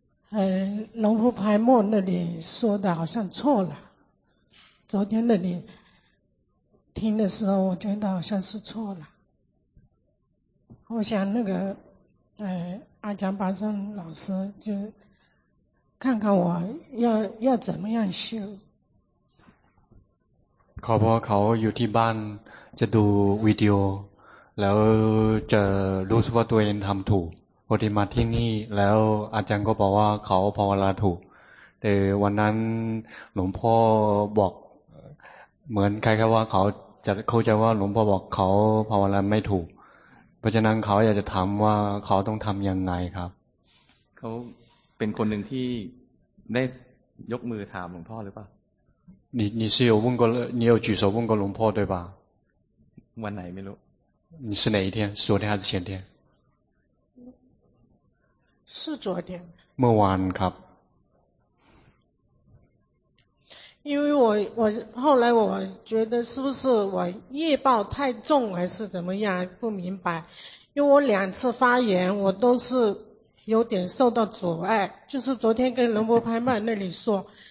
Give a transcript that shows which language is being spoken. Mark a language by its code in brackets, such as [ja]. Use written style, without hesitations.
[zh] 龙婆牌墨那里说的好像错了昨天那里听的时候我觉得好像是错了我想那个阿姜巴生老师就看看我要怎么样修 [th] เขาบอกเขาอยู่ที่บ้านจะดูวิดีโอแล้วจะรู้สึกว่าตัวเองทำถูกพอที่มาที่นี่แล้วอาจารย์ก็บอกว่าเขาภาวนาถูกแต่วันนั้นหลวงพ่อบอกเหมือนใครๆว่าเขาจะเข้าใจว่าหลวงพ่อบอกเขาภาวนาไม่ถูกเพราะฉะนั้นเขาอยากจะถามว่าเขาต้องทำยังไงครับ เขาเป็นคนหนึ่งที่ได้ยกมือถามหลวงพ่อหรือเปล่า [zh] 你是有问过你有举手问过龙婆对吧 [th] วันไหนไม่รู้ [zh] 你是哪一天昨天还是前天是昨天 [th] เมื่อวานครับ [zh] 因为我后来我觉得是不是我业报太重还是怎么样不明白因为我两次发言我都是有点受到阻碍就是昨天跟龙婆拍卖那里说